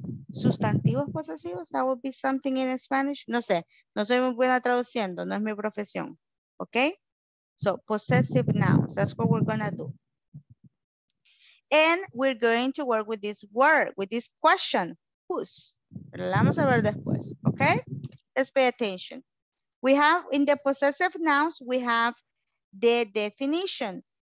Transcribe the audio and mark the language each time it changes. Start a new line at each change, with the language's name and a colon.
Spanish: Sustantivos posesivos,
English: that would be something in Spanish.
Spanish: No sé, no soy muy buena traduciendo, no es mi profesión.
English: Ok, so possessive nouns, that's what we're gonna do. And we're going to work with this word, with this question, whose.
Spanish: Pero la vamos a ver después, ok.
English: Let's pay attention. We have, in the possessive nouns, we have the definition.